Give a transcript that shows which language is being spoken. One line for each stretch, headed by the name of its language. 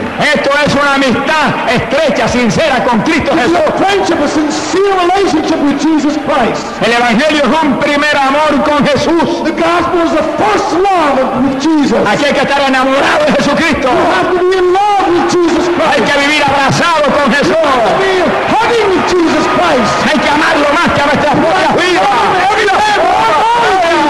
Spanish: Esto es una amistad estrecha, sincera con Cristo
English: this
Spanish: Jesús.
English: Is a friendship, a sincere relationship with Jesus Christ.
Spanish: El Evangelio es un primer amor con Jesús.
English: The gospel is the first love with Jesus.
Spanish: Aquí hay que estar enamorado de Jesucristo.
English: You have to be in love with Jesus Christ.
Spanish: Hay que vivir abrazado con Jesús.
English: You have to be hugging with Jesus Christ.
Spanish: Hay que amarlo más que a nuestras propias vidas.